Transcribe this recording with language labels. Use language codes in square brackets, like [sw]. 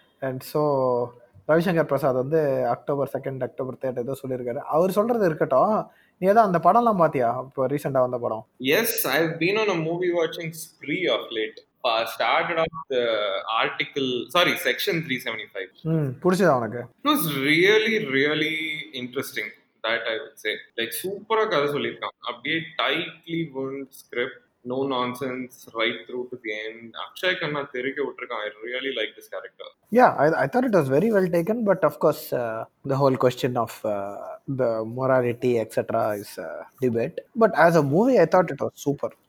[ta] And so, Ravishankar Prasad வந்து October 2nd, October 3rd ஏதோ சொல்லியிருக்காரு. அவர் சொல்றது இருக்கட்டும், நீ ஏதோ அந்த படம்லாம் பாத்தியா இப்போ ரீசெண்டாக வந்த படம்? [en] Yes, I've been on a movie watching spree of late. Started off the article, sorry, section 375. [ta] புரிஞ்சதா உனக்கு? [en] It was really, really interesting, that I would say. [ta] Like, சூப்பராக கதை சொல்லியிருக்கான். [en] அப்படியே tightly wound script. No nonsense, right through to the end. Akshay Khanna [ta] therike uttirukan. [en] I really like this character. Yeah, I thought it was very well taken, but of course the whole question of the morality etc is a debate, but as a movie I thought it was super.